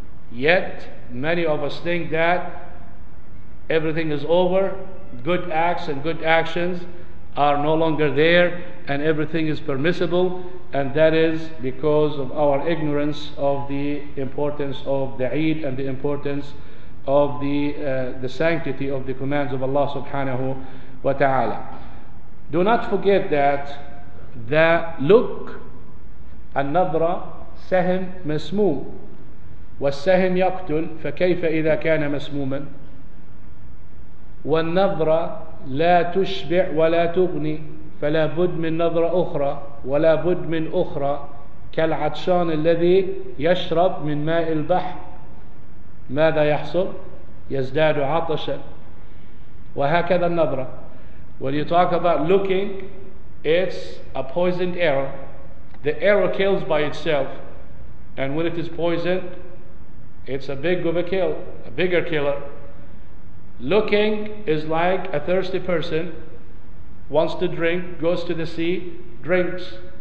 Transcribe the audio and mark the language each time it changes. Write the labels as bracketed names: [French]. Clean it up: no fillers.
[English] Yet many of us think that everything is over, good acts and good actions are no longer there, and everything is permissible, and that is because of our ignorance of the importance of the Eid and the importance of the sanctity of the commands of Allah subhanahu wa ta'ala. Do not forget that the look, [Arabic] al-nadra, sahim masmum, والسهم يقتل فكيف إذا كان مسموما والنظرة لا تشبع ولا تغني فلا بد من نظرة أخرى ولا بد من أخرى كالعطشان الذي يشرب من ماء البحر ماذا يحصل يزداد عطشا وهكذا النظرة. [English] When you talk about looking, it's a poisoned arrow. The arrow kills by itself, and when it is poisoned, it's a big of a kill, a bigger killer. Looking is like a thirsty person wants to drink, goes to the sea, drinks.